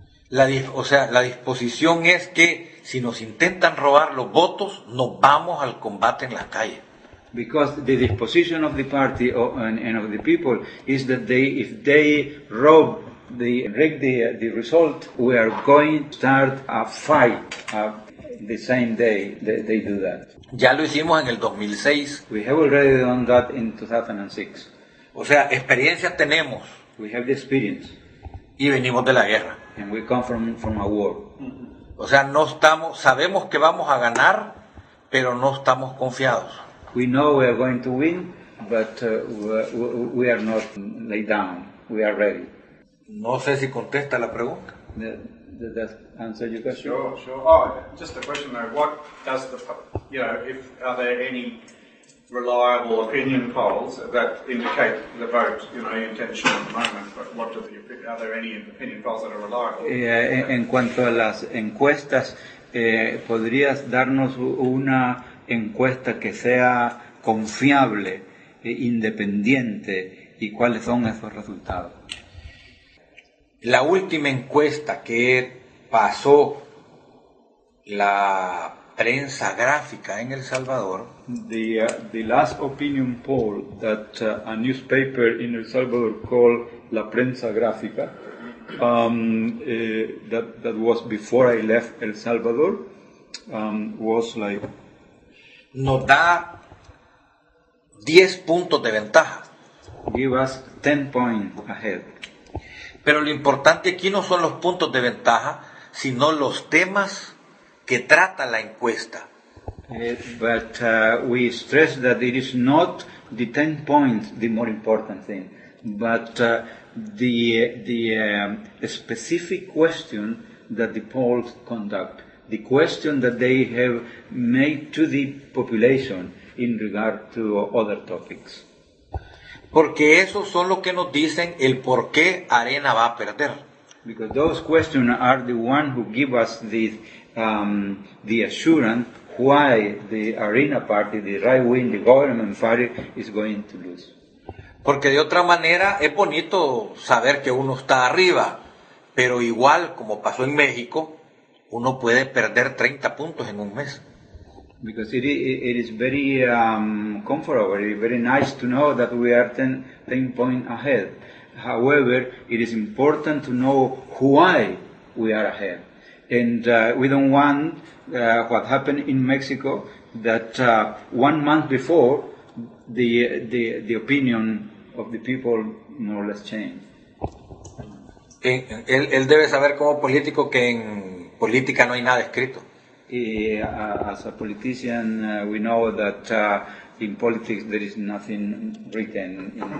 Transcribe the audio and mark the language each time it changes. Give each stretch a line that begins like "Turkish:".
Spanish: La disposición es que si nos intentan robar los votos, nos vamos al combate en la calle.
English: Because the disposition of the party and of the people is that if they rob the result, we are going to start a fight the same day that they do that.
Spanish: Ya lo hicimos en el 2006.
English: We have already done that in 2006.
Spanish: O sea, experiencia tenemos.
English: We have the experience.
Spanish: Y venimos de la guerra.
English: And we come from a war.
Spanish: O sea, no estamos, sabemos que vamos a ganar, pero no estamos confiados.
English: We know we are going to win, but we are not laid down. We are ready.
Spanish: No sé si contesta la pregunta.
English: Did that answer your question? Sure. Oh, just a question though. What does the, you know, if are there any reliable opinion polls that indicate the vote, you know, intention at the moment? But what do the, are there any opinion polls that are reliable?
Spanish: En cuanto a las encuestas, ¿podrías darnos una encuesta que sea confiable e independiente, y cuáles son esos resultados? La última encuesta que pasó la prensa gráfica en El Salvador,
English: the last opinion poll that a newspaper in El Salvador called La Prensa Gráfica, that was before I left El Salvador, was like,
Spanish: nos da 10 puntos de ventaja.
English: Give us 10 points ahead.
Spanish: Pero lo importante aquí no son los puntos de ventaja, sino los temas que trata la encuesta.
English: But we stress that it is not the 10 points the more important thing, but the specific question that the polls conduct. The question that they have made to the population in regard to other topics.
Spanish: Porque esos son los que nos dicen el por qué Arena va a perder.
English: Because those questions are the one who give us the assurance why the Arena Party, the right wing, the government party is going to lose.
Spanish: Porque de otra manera es bonito saber que uno está arriba, pero igual como pasó en México, uno puede perder 30 puntos en un mes.
English: Because it is very comfortable, very nice to know that we are 10 points ahead. However, it is important to know why we are ahead. And we don't want what happened in Mexico, that 1 month before, the opinion of the people more or less changed.
Spanish: Él debe saber como político que en política no hay nada escrito.
English: As a politician, we know that in politics there is nothing written.